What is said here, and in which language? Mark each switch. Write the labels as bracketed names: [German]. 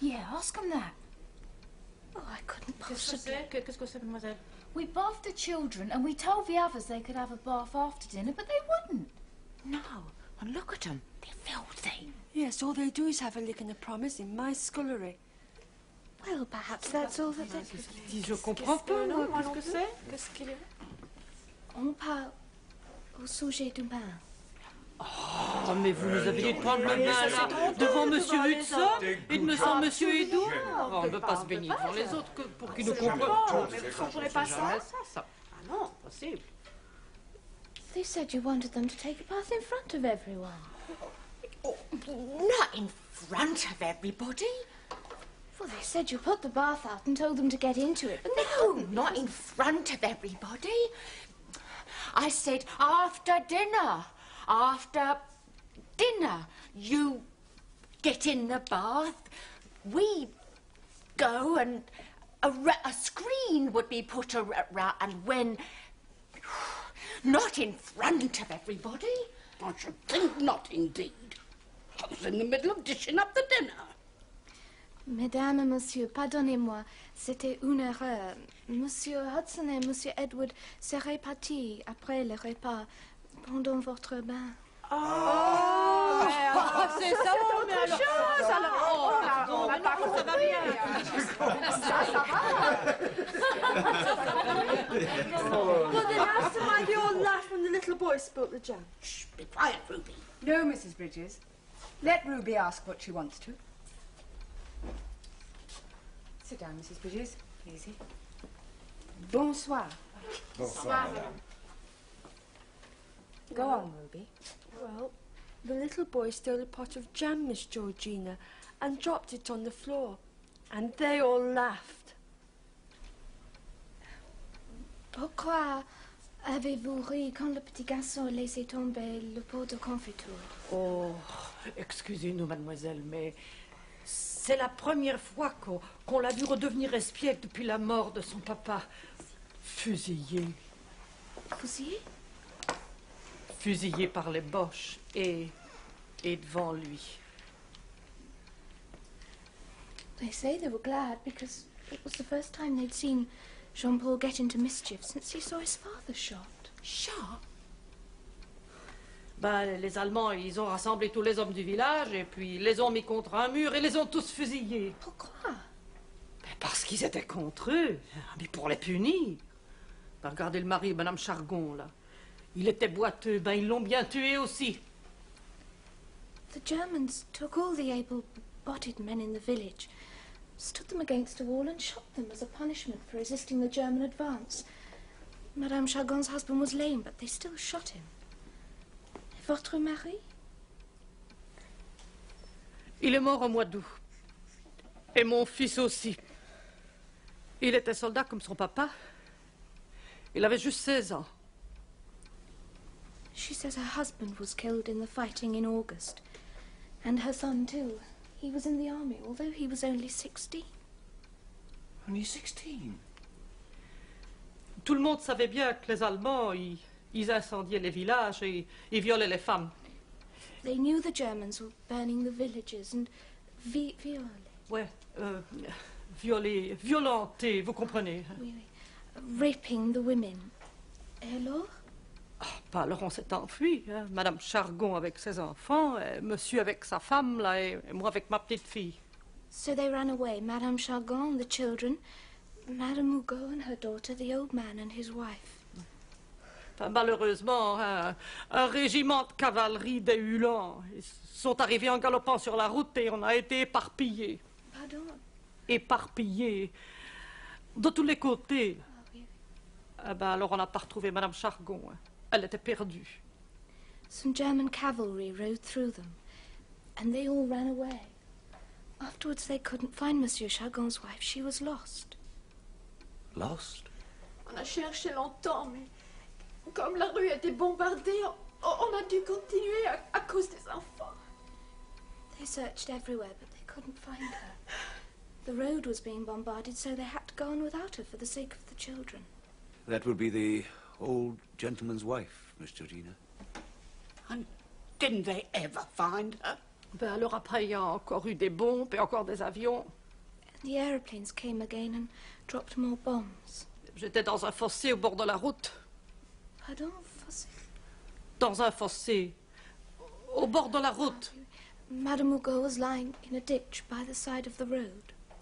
[English] Yeah, ask them that. Oh, I couldn't possibly. [French] Qu'est-ce que c'est, mademoiselle? [English] We bathed the children and we told the others they could have a bath after dinner, but they wouldn't. No, and look at them. They're filthy. Yes, all they do is have a lick and a promise in my scullery. Well, perhaps that's all that they could do. [French] Je comprends pas, moi, qu'est-ce que c'est? Qu'est-ce qu'il y a? On parle au sujet du bain. Oh, mais vous nous aviez dû prendre le bain, là, devant Monsieur Hudson et devant Monsieur Edouard. On ne veut pas se baigner devant les autres pour qu'ils nous comprennent. Mais vous ne comprenez pas ça? Ah non, possible. [English] They said you wanted them to take a bath in front of everyone. Not in front of everybody. Well, they said you put the bath out and told them to get into it. But no, not in front of everybody. I said after dinner. After dinner, you get in the bath. We go and a screen would be put around and when... Not in front of everybody. I should think not, indeed. I was in the middle of dishing up the dinner. [French] Mesdames et messieurs, pardonnez-moi, c'était une erreur. Monsieur Hudson et Monsieur Edward seraient partis après le repas pendant votre bain. Oh, oh c'est ça, c'est autre chose. Alors, pardon, mais non, ça va bien. Ça va. [English] Well, then ask why they all laughed when the little boy spilt the jam. Shh, be quiet, Ruby. No, Mrs. Bridges. Let Ruby ask what she wants to. Sit down, Mrs. Bridges. Easy. [French] Bonsoir. Bonsoir, madame. [English] Go on, Ruby. Well, the little boy stole a pot of jam, Miss Georgina, and dropped it on the floor. And they all laughed. [French] Pourquoi avez-vous ri quand le petit garçon laissait tomber le pot de confiture? Oh, excusez-nous, mademoiselle, mais... C'est la première fois qu'on l'a vu redevenir espiègle depuis la mort de son papa. Fusillé. Fusillé? Fusillé par les Boches et devant lui. [English] They say they were glad because it was the first time they'd seen Jean-Paul get into mischief since he saw his father shot. Shot? [French] Ben, les Allemands, ils ont rassemblé tous les hommes du village et puis ils les ont mis contre un mur et les ont tous fusillés. Pourquoi? Ben, parce qu'ils étaient contre eux, mais pour les punir. Ben, regardez le mari, Madame Chargon, là. Il était boiteux, ben, ils l'ont bien tué aussi. [English] The Germans took all the able-bodied men in the village, stood them against a wall and shot them as a punishment for resisting the German advance. Madame Chargon's husband was lame, but they still shot him. [French] Votre mari? Il est mort au mois d'août. Et mon fils aussi. Il était soldat comme son papa. Il avait juste 16 ans. [English] She says her husband was killed in the fighting in August. And her son too. He was in the army, although he was only 16. Only 16? [French] Tout le monde savait bien que les Allemands, ils incendiaient les villages et ils violaient les femmes. [English] They knew the Germans were burning the villages and violaient. [French] Ouais, violenter, vous comprenez. Oui, oui. [English] Raping the women. [French] Et alors? Oh, bah alors on s'est enfui, hein. Madame Chargon avec ses enfants, et monsieur avec sa femme, là, et moi avec ma petite fille. [English] So they ran away, Madame Chargon, the children, Madame Hugo and her daughter, the old man and his wife. [French] Malheureusement, un régiment de cavalerie des Uhlans sont arrivés en galopant sur la route et on a été éparpillés. Pardon? Éparpillés. De tous les côtés. Ah, oui. Alors on n'a pas retrouvé Madame Chargon. Elle était perdue. [English] Some German cavalry rode through them. And they all ran away. Afterwards, they couldn't find Monsieur Chargon's wife. She was lost. Lost? [French] On a cherché longtemps, mais comme la rue était bombardée, on a dû continuer à cause des enfants. [English] They searched everywhere, but they couldn't find her. The road was being bombarded, so they had to go on without her for the sake of the children. That would be the old gentleman's wife, Miss Georgina. And didn't they ever find her? [French] Ben alors après, il y a encore eu des bombes et encore des avions. [English] The aeroplanes came again and dropped more bombs. [French] J'étais dans un fossé au bord de la route. Pardon, fossé? Dans un fossé, au bord de la route. [English] Madame Hugo was lying in a ditch by the side of the road.